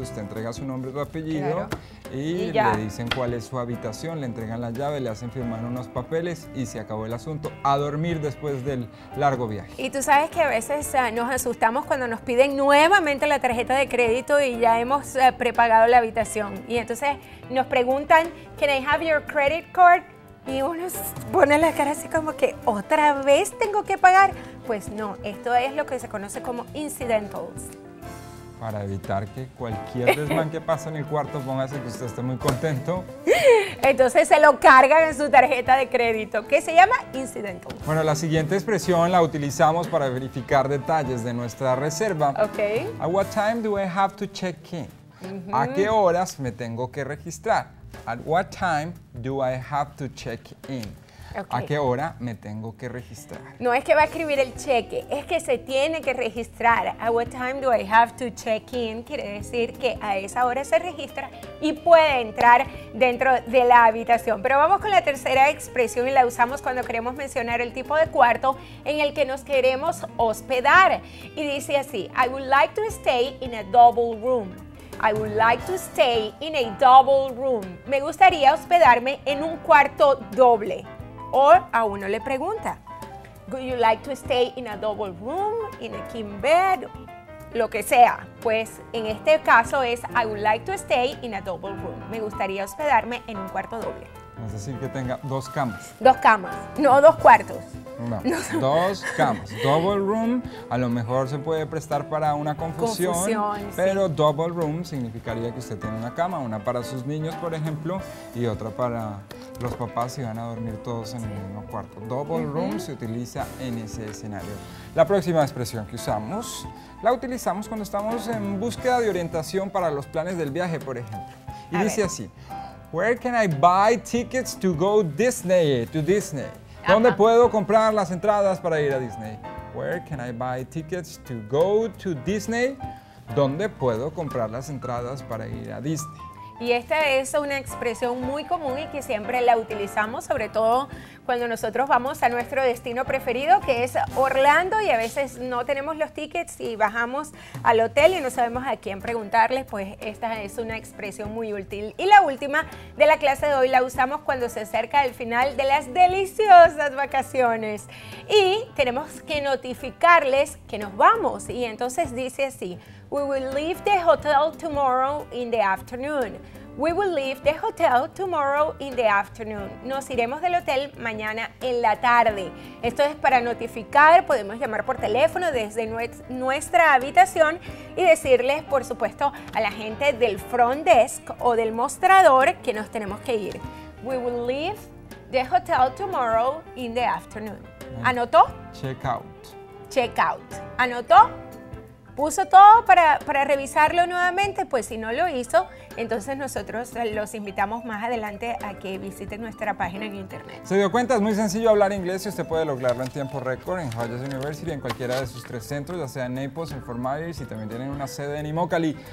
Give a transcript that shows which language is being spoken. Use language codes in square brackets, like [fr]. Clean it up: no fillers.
[es] Usted entrega su nombre y su apellido. Claro. Y le dicen cuál es su habitación. Le entregan la llave, le hacen firmar unos papeles y se acabó el asunto. A dormir después del largo viaje. Y tú sabes que a veces nos asustamos cuando nos piden nuevamente la tarjeta de crédito y ya hemos prepagado la habitación. Y entonces nos preguntan, [en] can I have your credit card? [es] Y uno pone la cara así como que, ¿otra vez tengo que pagar? Pues no, esto es lo que se conoce como incidentals. Para evitar que cualquier desmán que pase en el cuarto, póngase que usted esté muy contento. Entonces se lo cargan en su tarjeta de crédito, que se llama incidentals. Bueno, la siguiente expresión la utilizamos para verificar detalles de nuestra reserva. Ok. [en] ¿A what time do I have to check in? Uh-huh. [es] ¿A qué horas me tengo que registrar? [en] At what time do I have to check in? Okay. [es] ¿A qué hora me tengo que registrar? No es que va a escribir el cheque, es que se tiene que registrar. [en] At what time do I have to check in? [es] Quiere decir que a esa hora se registra y puede entrar dentro de la habitación. Pero vamos con la tercera expresión y la usamos cuando queremos mencionar el tipo de cuarto en el que nos queremos hospedar. Y dice así, [en] I would like to stay in a double room. I would like to stay in a double room. [es] Me gustaría hospedarme en un cuarto doble. O a uno le pregunta, [en] would you like to stay in a double room, in a king bed? [es] Lo que sea. Pues en este caso es, [en] I would like to stay in a double room. [es] Me gustaría hospedarme en un cuarto doble. Es decir, que tenga dos camas. Dos camas, no dos cuartos. No, dos camas. Double room, a lo mejor se puede prestar para una confusión, pero sí. Double room significaría que usted tiene una cama, una para sus niños, por ejemplo, y otra para los papás si van a dormir todos en el mismo cuarto. Double room se utiliza en ese escenario. La próxima expresión que usamos, la utilizamos cuando estamos en búsqueda de orientación para los planes del viaje, por ejemplo. Y a dice ver. [en] Así, where can I buy tickets to go to Disney? [es] ¿Dónde puedo comprar las entradas para ir a Disney? [en] Where can I buy tickets to go to Disney? [es] ¿Dónde puedo comprar las entradas para ir a Disney? Y esta es una expresión muy común y que siempre la utilizamos, sobre todo cuando nosotros vamos a nuestro destino preferido, que es Orlando, y a veces no tenemos los tickets y bajamos al hotel y no sabemos a quién preguntarles, pues esta es una expresión muy útil. Y la última de la clase de hoy la usamos cuando se acerca el final de las deliciosas vacaciones y tenemos que notificarles que nos vamos. Y entonces dice así, [en] we will leave the hotel tomorrow in the afternoon. We will leave the hotel tomorrow in the afternoon. [es] Nos iremos del hotel mañana en la tarde. Esto es para notificar, podemos llamar por teléfono desde nuestra habitación y decirles, por supuesto, a la gente del front desk o del mostrador que nos tenemos que ir. [en] We will leave the hotel tomorrow in the afternoon. [es] ¿Anotó? [en] Check out. Check out. [es] ¿Anotó? ¿Puso todo para revisarlo nuevamente? Pues si no lo hizo, Entonces nosotros los invitamos más adelante a que visiten nuestra página en internet. ¿Se dio cuenta? Es muy sencillo hablar inglés y usted puede lograrlo en tiempo récord en Hodges University, en cualquiera de sus tres centros, ya sea en Naples, en Fort Myers y también tienen una sede en Immokalee.